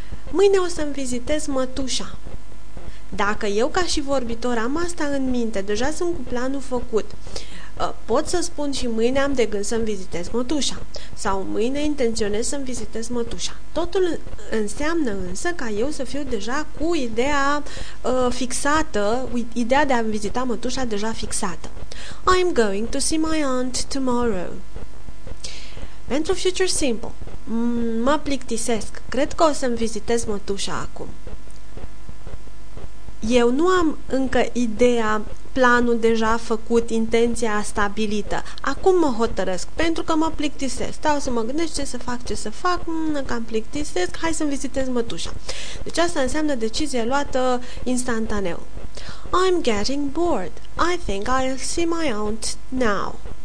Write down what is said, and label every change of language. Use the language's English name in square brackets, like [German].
[Romanian] Mâine o să-mi vizitez mătușa. Dacă eu ca și vorbitor am asta în minte, deja sunt cu planul făcut, pot să spun și mâine am de gând să-mi vizitez mătușa. Sau mâine intenționez să-mi vizitez mătușa. Totul înseamnă însă ca eu să fiu deja cu ideea fixată, ideea de a-mi vizita mătușa deja fixată. [English] I'm going to see my aunt tomorrow. [Romanian] Pentru future simple, mă plictisesc, cred că o să-mi vizitez mătușa acum. Eu nu am încă ideea, planul deja făcut, intenția stabilită. Acum mă hotărăsc, pentru că mă plictisesc. Stau să mă gândesc ce să fac, că am plictisesc, hai să-mi vizitez mătușa. Deci asta înseamnă decizie luată instantaneu. [English] I'm getting bored. I think I'll see my aunt now.